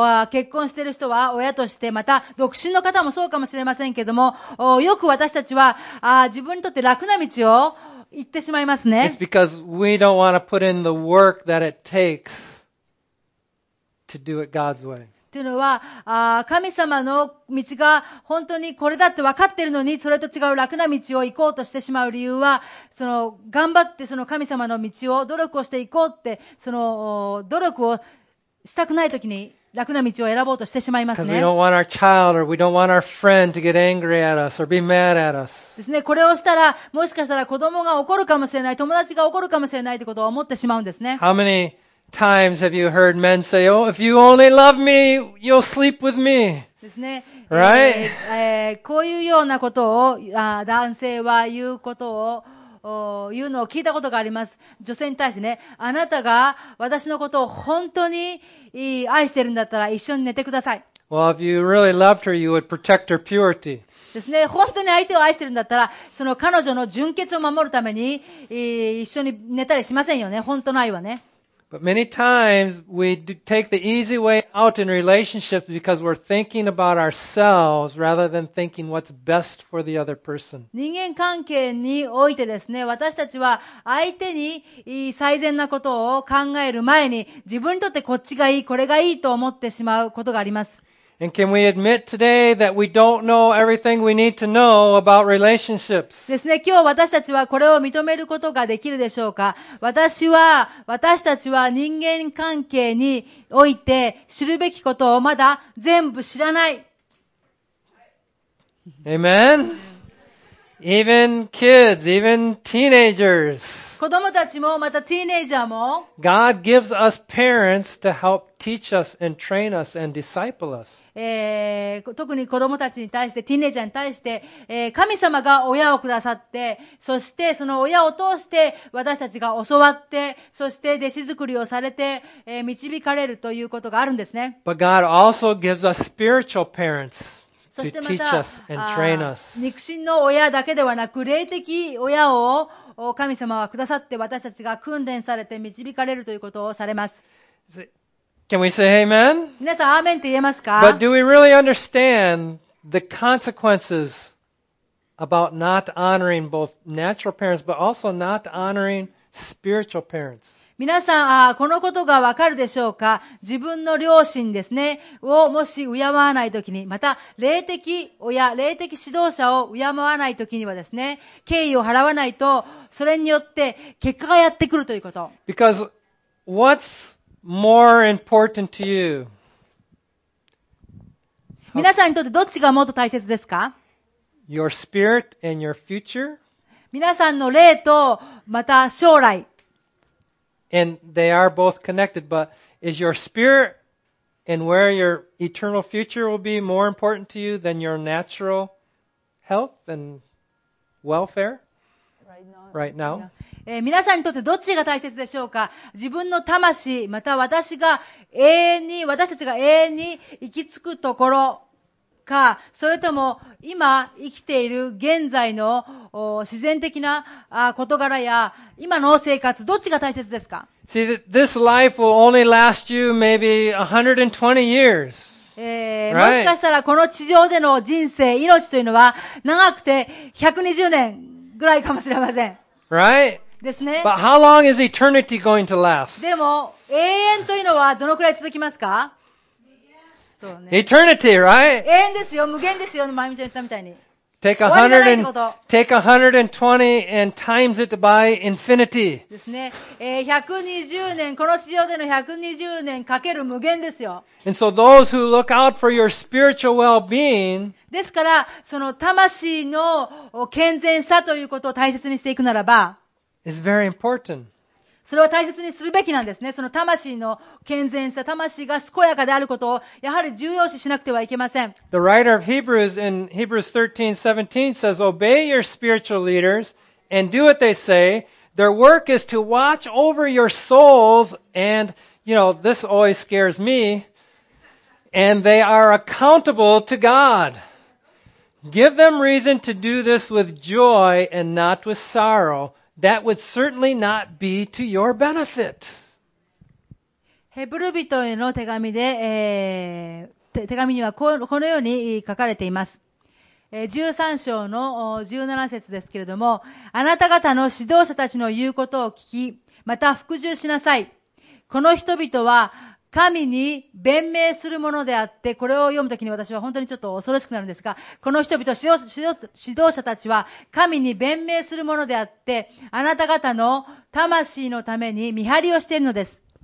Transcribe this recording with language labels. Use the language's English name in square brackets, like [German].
[Japanese] 結婚している人は親として、また独身の方もそうかもしれませんけども、よく私たちは自分にとって楽な道を行ってしまいますね。 [English] It's because we don't want to put in the work that it takes to do it God's way. [Japanese] というのは、神様の道が本当にこれだって分かっているのに、それと違う楽な道を行こうとしてしまう理由は、その頑張ってその神様の道を、努力をしていこうって、その努力をしたくないときに楽な道を選ぼうとしてしまいますね。 [English] Because we don't want our child or we don't want our friend to get angry at us or be mad at us. [Japanese] ですね。これをしたら、もしかしたら子供が怒るかもしれない、友達が怒るかもしれないということを思ってしまうんですね。 [English] How manyTimes have you heard men say, "Oh, if you only love me, you'll sleep with me." [Japanese] ですね。 [English] Right? [Japanese] こういうようなことを男性は言うことを言うのを聞いたことがあります。女性に対してね、あなたが私のことを本当に愛してるんだったら一緒に寝てください。 [English] Well, if you really loved her, you would protect her purity. [Japanese] ですね。本当に相手を愛してるんだったら、その彼女の純潔を守るために一緒に寝たりしませんよね。本当の愛はね。 [English] But many times we take the easy way out in relationships because we're thinking about ourselves rather than thinking what's best for the other person. [Japanese] 人間関係においてですね、私たちは相手に最善なことを考える前に自分にとってこっちがいい、これがいいと思ってしまうことがあります。 [English] And can we admit today that we don't know everything we need to know about relationships? [Japanese] ですね、今日私たちはこれを認めることができるでしょうか。私たちは人間関係において知るべきことをまだ全部知らない。 [English] Amen. Even kids, even teenagers. [Japanese] 子供たちもまたティーネイジャーも。 [English] God gives us parents to help teach us and train us and disciple us. [Japanese] 特に子供たちに対して、ティーネイジャーに対して、神様が親をくださって、そしてその親を通して私たちが教わって、そして弟子作りをされて、導かれるということがあるんですね。 [English] But God also gives us spiritual parents to teach us and train us. [Japanese] 肉親の親だけではなく、霊的親を神様はくださって私たちが訓練されて導かれるということをされます。 [English] Can we say amen? [Japanese] 皆さん、アーメンって言えますか? [English] But do we really understand the consequences about not honoring both natural parents, but also not honoring spiritual parents? [Japanese] 皆さん、このことがわかるでしょうか?自分の両親ですね、をもし敬わないときに、また、霊的親、霊的指導者を敬わないときにはですね、敬意を払わないと、それによって結果がやってくるということ。 [English] Because what'smore important to you. [Japanese] 皆さんにとってどっちがもっと大切ですか? [English] Your spirit and your future. [Japanese] 皆さんの霊とまた将来。 [English] And they are both connected, but is your spirit and where your eternal future will be more important to you than your natural health and welfare? Right now. [Japanese] 皆さんにとってどっちが大切でしょうか?自分の魂、また私たちが永遠に行き着くところか、それとも今生きている現在の自然的な事柄や今の生活、どっちが大切ですか? [English] See, this life will only last you maybe 120 years. [Japanese] もしかしたらこの地上での人生、命というのは長くて120年ぐらいかもしれません。 [English] Right? [Japanese] ですね、 [English] But how long is eternity going to last? [Japanese] でも永遠というのはどのくらい続きますか? そうね。 [English] Eternity, right? [Japanese] 永遠ですよ、無限ですよ、まゆみちゃん言ったみたいに。 [English] Take 120 and times it by infinity. [Japanese] ですね。 120年、この地上での120年かける無限ですよ。 [English] And so those who look out for your spiritual well-being, [Japanese] ですから、その魂の健全さということを大切にしていくならば、 [English] Is very important. [Japanese] それは大切にするべきなんですね。その魂の健全さ、魂が健やかであることをやはり重要視しなくてはいけません。 [English] The writer of Hebrews in Hebrews 13:17 says, "Obey your spiritual leaders and do what they say. Their work is to watch over your souls, and you know this always scares me. And they are accountable to God. Give them reason to do this with joy and not with sorrow." That would certainly not be to your benefit. [Japanese] ヘブル人への手紙で、手紙にはこのように書かれています。 13章の17節ですけれども、あなた方の指導者たちの言うことを聞き、また服従しなさい。この人々は神に弁明するものであって、これを読むときに私は本当にちょっと恐ろしくなるんですが、この人々、指導者たちは神に弁明するものであって、あなた方の魂のために見張りをしているのです。